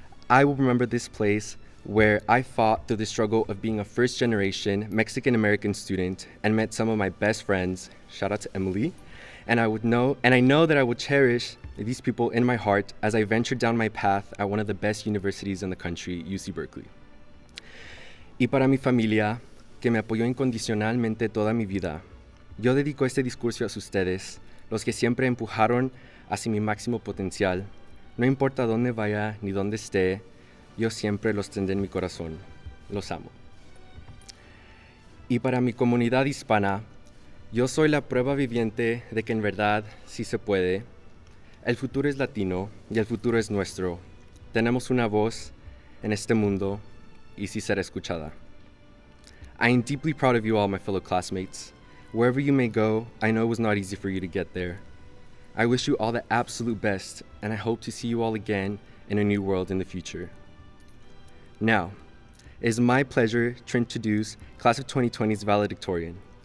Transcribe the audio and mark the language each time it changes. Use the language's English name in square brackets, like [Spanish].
[English] I will remember this place where I fought through the struggle of being a first-generation Mexican-American student and met some of my best friends, shout out to Emily, and I know that I will cherish these people in my heart as I venture down my path at one of the best universities in the country, UC Berkeley. [Spanish] Y para mi familia, que me apoyó incondicionalmente toda mi vida, yo dedico este discurso a ustedes, los que siempre empujaron hacia mi máximo potencial, no importa dónde vaya ni dónde esté, yo siempre los tendré en mi corazón. Los amo. Y para mi comunidad hispana, yo soy la prueba viviente de que en verdad sí se puede. El futuro es latino y el futuro es nuestro. Tenemos una voz en este mundo y sí será escuchada. [English] I am deeply proud of you all, my fellow classmates. Wherever you may go, I know it was not easy for you to get there. I wish you all the absolute best, and I hope to see you all again in a new world in the future. Now, it is my pleasure to introduce Class of 2020's valedictorian.